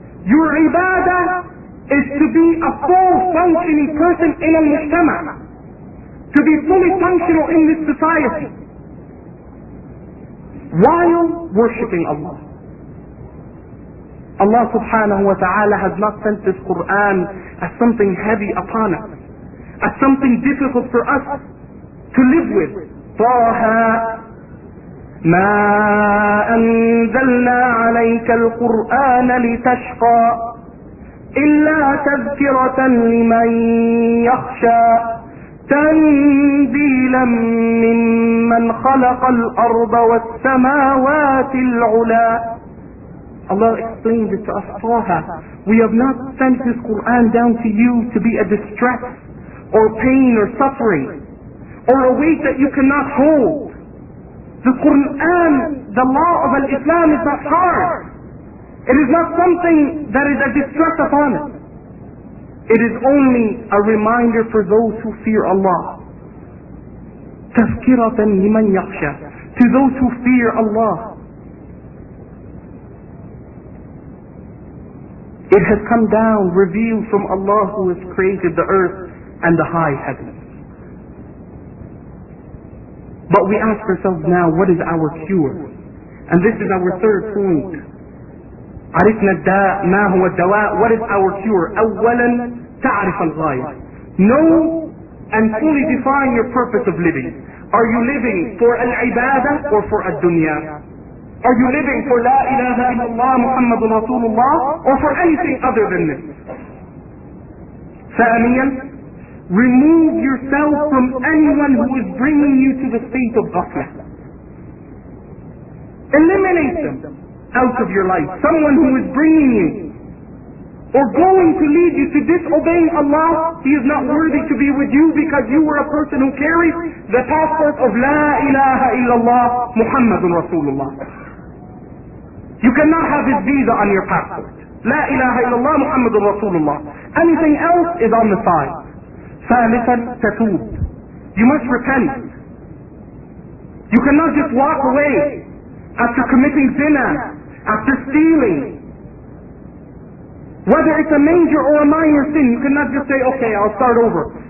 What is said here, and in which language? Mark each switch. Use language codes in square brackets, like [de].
[en] Your ibadah is to be a full functioning person in al-mujtama, to be fully functional in this society while worshipping Allah. Allah subhanahu wa ta'ala has not sent this Qur'an as something heavy upon us, as something difficult for us to live with. [ar] طَاهَا مَا أَنزَلْنَا عَلَيْكَ الْقُرْآنَ لِتَشْقَى إِلَّا تَذْكِرَةً لِمَنْ يَخْشَى تَنْزِيلًا مِّمَّنْ خَلَقَ الْأَرْضَ وَالسَّمَاوَاتِ الْعُلَى [en] Allah explained it to us, Taha. We have not sent this Quran down to you to be a distress or pain or suffering or a weight that you cannot hold. The Quran, the law of al-Islam, is not hard. It is not something that is a distress upon us. It is only a reminder for those who fear Allah. [ar] تَذْكِرَةً لِمَنْ يَخْشَى [en] To those who fear Allah. It has come down, revealed from Allah who has created the earth and the high heavens. But we ask ourselves now, what is our cure? And this is our third point. [ar] عرفنا الداء ما هو الدواء [en] What is our cure? [ar] أولا تعرف الغاية [en] Know and fully define your purpose of living. Are you living for العبادة or for الدنيا? Are you living for La ilaha illallah Muhammadun Rasulullah or for anything other than this? Thaniyan, remove yourself from anyone who is bringing you to the state of ghafla. Eliminate them out of your life. Someone who is bringing you or going to lead you to disobeying Allah, he is not worthy to be with you because you were a person who carried the passport of La ilaha illallah Muhammadun Rasulullah. You cannot have his visa on your passport. [ar] لا إله إلا الله محمد رسول الله. [en] Anything else is on the side. [ar] ثالثا تتوب. [en] You must repent. You cannot just walk away after committing zina, after stealing. Whether it's a major or a minor sin, you cannot just say, okay, I'll start over.